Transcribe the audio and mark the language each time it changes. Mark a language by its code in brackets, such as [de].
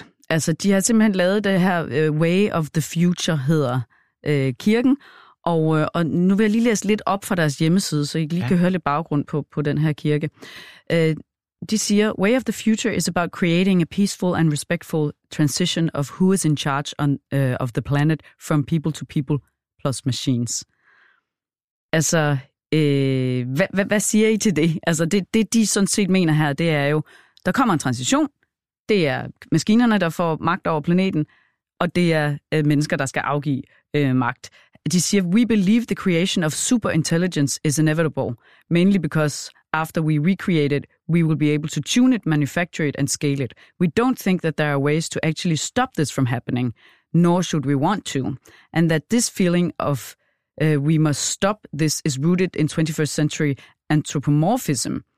[da] Altså de har simpelthen lavet det her Way of the Future, hedder kirken. Og nu vil jeg lige læse lidt op fra deres hjemmeside, så I lige kan høre lidt baggrund på den her kirke. De siger, [en] Way of the Future is about creating a peaceful and respectful transition of who is in charge of the planet from people to people plus machines. [da] Altså, hvad siger I til det? Altså, det de sådan set mener her, det er jo, der kommer en transition, det er maskinerne, der får magt over planeten, og det er mennesker, der skal afgive magt. De siger, [en] we believe the creation of superintelligence is inevitable, mainly because after we recreate it, we will be able to tune it, manufacture it, and scale it. We don't think that there are ways to actually stop this from happening, nor should we want to, and that this feeling of we must stop this is rooted in 21st century anthropomorphism.